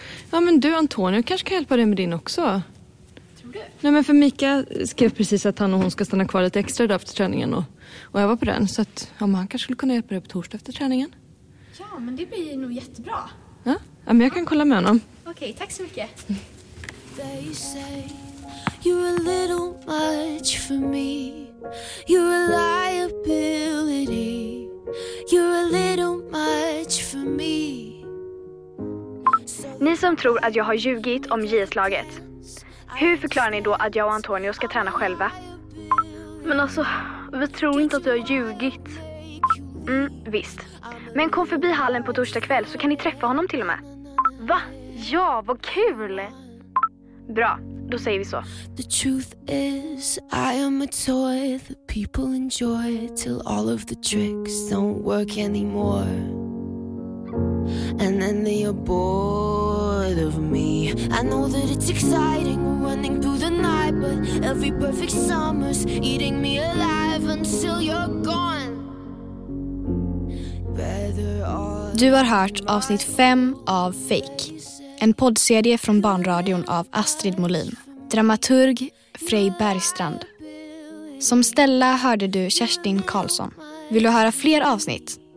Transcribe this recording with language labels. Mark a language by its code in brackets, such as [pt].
[sv] Ja, men du Antonio kanske kan hjälpa dig med din också. Tror du? Nej, men för Mika skrev precis att han och hon ska stanna kvar lite extra idag efter träningen och öva på den. Så att ja, han kanske skulle kunna hjälpa dig på torsdag efter träningen. Ja, men det blir nog jättebra. Ja, ja men jag kan kolla med honom. Okej, tack så mycket. [en] They say you're a little much for me. You're a liability. You're a little much for me. [sv] Ni som tror att jag har ljugit om JS-laget, hur förklarar ni då att jag och Antonio ska träna själva? Men alltså, vi tror inte att du har ljugit. Mm, visst. Men kom förbi hallen på torsdag kväll så kan ni träffa honom till och med. Va? Ja, vad kul! Bra, då säger vi så. [en] The truth is I am a toy that people enjoy till all of the tricks don't work anymore. And then they are bored of me. I know that it's exciting running through the night, but every perfect summer's eating me alive until you're gone. Better all. [sv] Du har hört avsnitt 5 av Fake, en poddserie från Barnradion av Astrid Molin. Dramaturg Frej Bergstrand. Som Stella hörde du Kerstin Karlsson. Vill du höra fler avsnitt?